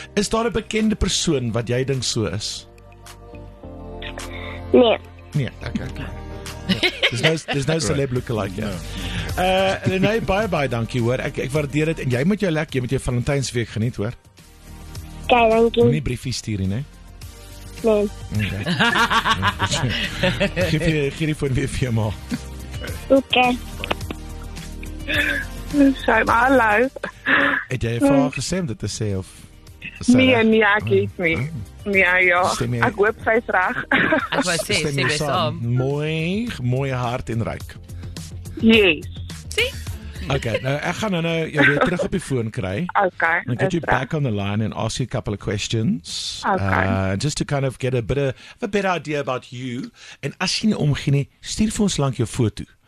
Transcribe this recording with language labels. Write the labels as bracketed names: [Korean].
[Afrikaans] Is daar 'n bekende persoon wat jy dink so is? Nee. Nee, okay. [English] There's no celeb lookalike. [Afrikaans] Yeah. No. Bye, dankie hoor. Ek waardeer dit en jy moet jou lekker met jou Valentynsweek geniet hoor. Okay, dankie. Moenie briefies stuur nie. Nee. Okay. Gee die foon weer vir jou ma. Okay. So, maar hallo. Het jy vir haar gesê om dit te sê of? Nee, ek hoop sy is reg. Ek wou sê, sy is om. Mooi hart en ryk. Yes. Okay, nou ek gaan nou jou weer terug op die foon kry. Okay. [English] And get you back on the line and ask you a couple of questions. Okay. Just to kind of get a better idea about you. [Afrikaans] En as jy nie omgee nie, stuur vir ons lank jou foto.